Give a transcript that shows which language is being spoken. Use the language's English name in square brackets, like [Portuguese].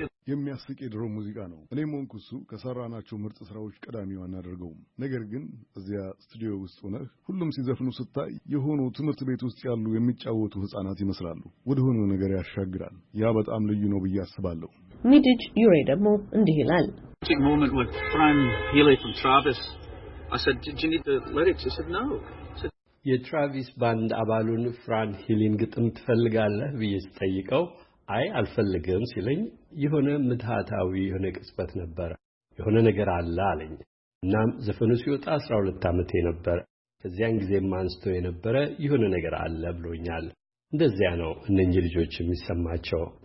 [Amharic] የሚያስቅ የድሮ ሙዚቃ ነው። እኔ ሞንኩሱ ከሰራናቸው ምርጥ ስራዎች ቀዳሚዋን አደርገውም። ነገር ግን እዚያ ስቱዲዮ ውስጥ ሆነህ ሁሉም ሲዘፍኑ ስታይ የሆኑ ትምህርት ቤት ውስጥ ያሉ የሚጫወቱ ህፃናት ይመስላሉ። ወደ ሆነ ነገር ያሻግራል። ያ በጣም ልዩ ነው ብዬ አስባለሁ። ሚድጅ ዩሬ ደግሞ እንዲህ ይላል። [English] Take a moment with Prime Healy from Travis. I said, "Did you need the lyrics?" He said, "No." [Amharic] የትራቪስ ባንድ አባሉን ፍራን ሂሊን ግጥም ትፈልጋለህ ብዬ ስጠይቀው አይ አልፈልግም ሲለኝ የሆነ ምትሃታዊ የሆነ ቅጽበት ነበር። የሆነ ነገር አለ አለኝ። እናም ዘፈኑ ሲወጣ 12 አመቴ ነበር። ከዚያን ጊዜ ማንስቶ የነበረ የሆነ ነገር አለ ብሎኛል። እንደዚያ ነው እነኚህ ልጆች የሚሰማቸው።